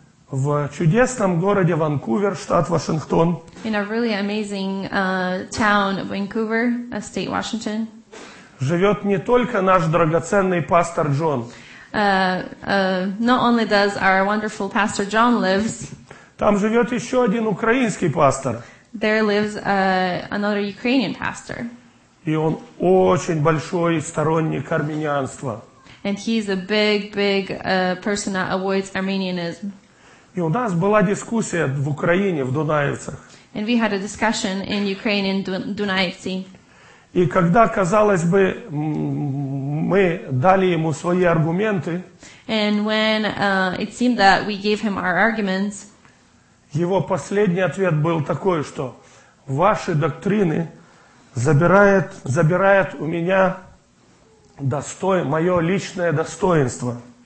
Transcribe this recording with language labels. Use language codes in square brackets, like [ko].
[ru] В чудесном городе Ванкувер, штат Вашингтон. [en] In a really amazing town of Vancouver, a state Washington. [ru] Живет не только наш драгоценный пастор Джон. [en] Not only does our wonderful pastor John lives. [ru] Там живет еще один украинский пастор. [en] There lives another Ukrainian pastor. [ru] И он очень большой сторонник армянства. [en] And he's a big person that avoids Armenianism. [ru] И у нас была дискуссия в Украине, в Дунаевцах. [en] And we had a discussion in Ukraine in Dunajevci. [ru] И когда, казалось бы, мы дали ему свои аргументы, [en] and when it seemed that we gave him our arguments, [ru] его последний ответ был такой, что ваши доктрины забирают у меня мое личное достоинство.